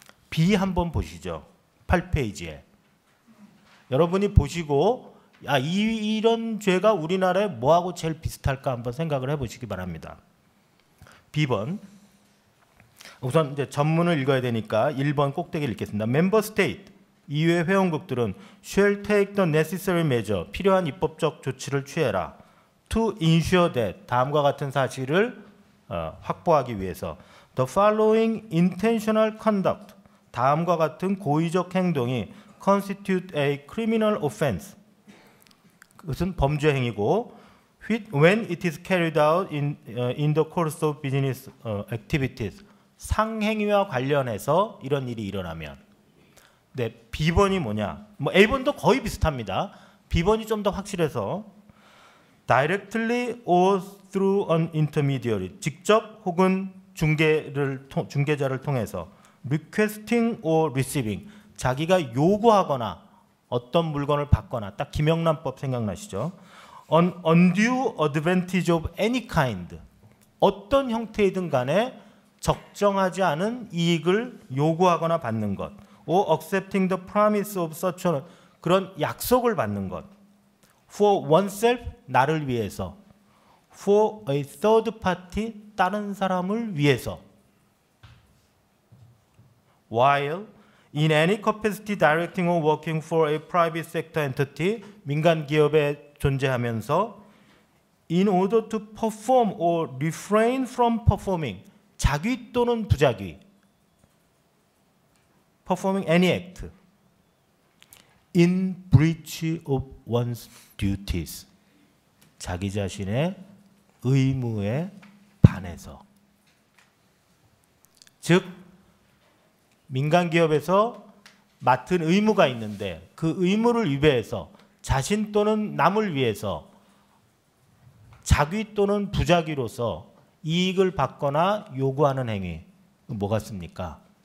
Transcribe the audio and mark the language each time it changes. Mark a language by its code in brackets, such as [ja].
[ko] B 한번 보시죠. 8페이지에. 여러분이 보시고 이런 죄가 우리나라에 뭐하고 제일 비슷할까 한번 생각을 해보시기 바랍니다. B번. 우선 이제 전문을 읽어야 되니까 1번 꼭대기 읽겠습니다. [en] Member State, [ko] EU의 회원국들은 [en] shall take the necessary measure, [ko] 필요한 입법적 조치를 취해라. [en] To ensure that, [ko] 다음과 같은 사실을 확보하기 위해서. [en] The following intentional conduct, [ko] 다음과 같은 고의적 행동이 [en] constitute a criminal offense. [ko] 그것은 범죄 행위고 [en] when it is carried out in the course of business activities. [ko] 상행위와 관련해서 이런 일이 일어나면. 네, B번이 뭐냐? 뭐 A번도 거의 비슷합니다. B번이 좀 더 확실해서 [en] directly or through an intermediary. [ko] 직접 혹은 중개자를 통해서 [en] requesting or receiving. [ko] 자기가 요구하거나 어떤 물건을 받거나 딱 김영란법 생각나시죠? [en] An undue advantage of any kind. [ko] 어떤 형태이든 간에 적정하지 않은 이익을 요구하거나 받는 것. [en] Or accepting the promise of such a [ko] 그런 약속을 받는 것. [en] For oneself, [ko] 나를 위해서. [en] For a third party, [ko] 다른 사람을 위해서. [en] While in any capacity directing or working for a private sector entity, [ko] 민간 기업에 존재하면서, [en] in order to perform or refrain from performing, [ko] 자기 또는 부작위, [en] performing any act, in breach of one's duties, [ko] 자기 자신의 의무에 반해서. 즉, 민간기업에서 맡은 의무가 있는데 그 의무를 위배해서 자신 또는 남을 위해서 자기 또는 부자기로서 이익을 받거나 요구하는 행위 뭐 같습니까?